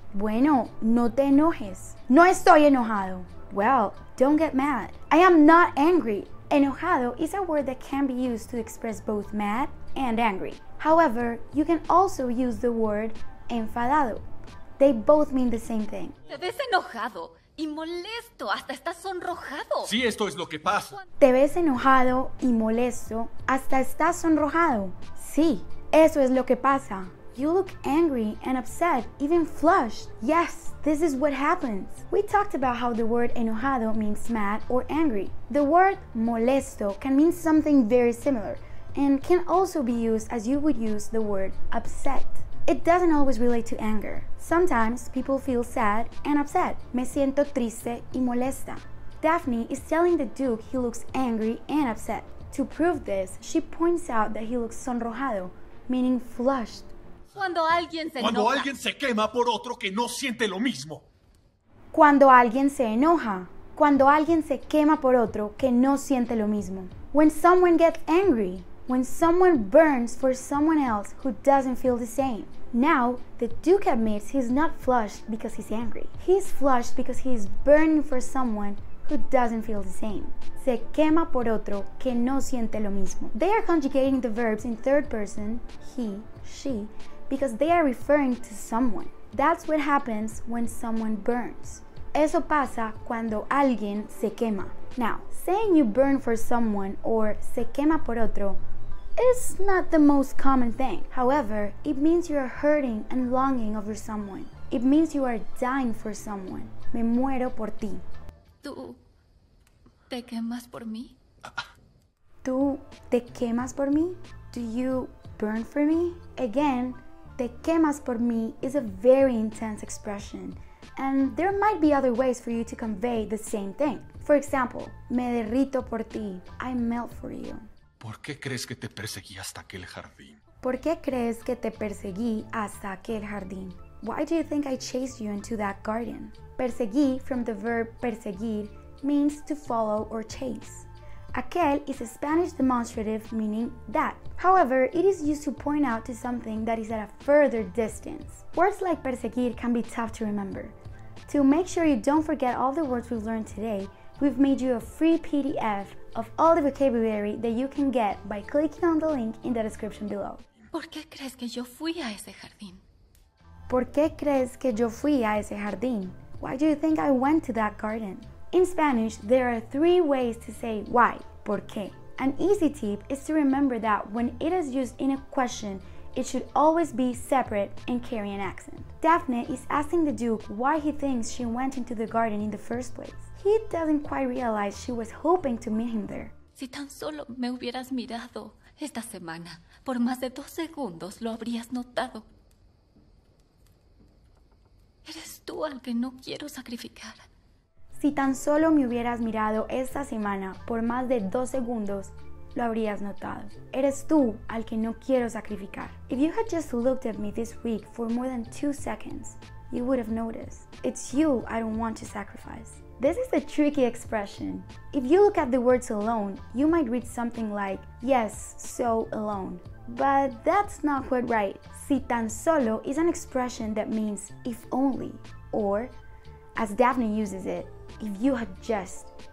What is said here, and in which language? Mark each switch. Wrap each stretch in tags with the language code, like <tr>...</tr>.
<es>Bueno, no te enojes. No estoy enojado.</es> <en>Well, don't get mad. I am not angry. Enojado is a word that can be used to express both mad and angry. However, you can also use the word enfadado. They both mean the same thing.</en> <es>Te ves enojado y molesto, hasta estás sonrojado. Sí, esto es lo que pasa. Te ves enojado y molesto, hasta estás sonrojado. Sí, eso es lo que pasa.</es> <en>You look angry and upset, even flushed. Yes, this is what happens. We talked about how the word enojado means mad or angry. The word molesto can mean something very similar and can also be used as you would use the word upset. It doesn't always relate to anger. Sometimes people feel sad and upset.</en> <es>Me siento triste y molesta.</es> <en>Daphne is telling the Duke he looks angry and upset. To prove this, she points out that he looks sonrojado, meaning flushed.</en> <es>Cuando alguien se quema por otro que no siente lo mismo. Cuando alguien se enoja. Cuando alguien se quema por otro que no siente lo mismo.</es> <en>When someone gets angry. When someone burns for someone else who doesn't feel the same. Now, the Duke admits he's not flushed because he's angry. He's flushed because he's burning for someone who doesn't feel the same.</en> <es>Se quema por otro que no siente lo mismo.</es> <en>They are conjugating the verbs in third person, he, she, because they are referring to someone. That's what happens when someone burns.</en> <es>Eso pasa cuando alguien se quema.</es> <en>Now, saying you burn for someone or</en> <es>se quema por otro</es> <en>is not the most common thing. However, it means you are hurting and longing over someone. It means you are dying for someone.</en> <es>Me muero por ti. ¿Tú te quemas por mí? ¿Tú te quemas por mí?</es> <en>Do you burn for me? Again,</en> <es>te quemas por mí</es> <en>is a very intense expression. And there might be other ways for you to convey the same thing. For example,</en> <es>me derrito por ti.</es> <en>I melt for you.</en> <es>¿Por qué crees que te perseguí hasta aquel jardín? ¿Por qué crees que te perseguí hasta aquel jardín?</es> <en>Why do you think I chased you into that garden? Perseguí, from the verb perseguir, means to follow or chase. Aquel is a Spanish demonstrative meaning that. However, it is used to point out to something that is at a further distance. Words like perseguir can be tough to remember. To make sure you don't forget all the words we've learned today, we've made you a free PDF of all the vocabulary that you can get by clicking on the link in the description below.</en> <es>¿Por qué crees que yo fui a ese jardín? ¿Por qué crees que yo fui a ese jardín?</es> <en>Why do you think I went to that garden? In Spanish, there are three ways to say why, por qué. An easy tip is to remember that when it is used in a question, it should always be separate and carry an accent. Daphne is asking the Duke why he thinks she went into the garden in the first place. He doesn't quite realize she was hoping to meet him there.</en> <es>Si tan solo me hubieras mirado esta semana, por más de 2 segundos lo habrías notado. Eres tú al que no quiero sacrificar. Si tan solo me hubieras mirado esta semana, por más de 2 segundos, lo habrías notado. Eres tú al que no quiero sacrificar.</es> <en>If you had just looked at me this week for more than 2 seconds, you would have noticed. It's you I don't want to sacrifice. This is a tricky expression. If you look at the words alone, you might read something like, yes, so alone. But that's not quite right. Si tan solo is an expression that means if only, or, as Daphne uses it, if you had just.</en>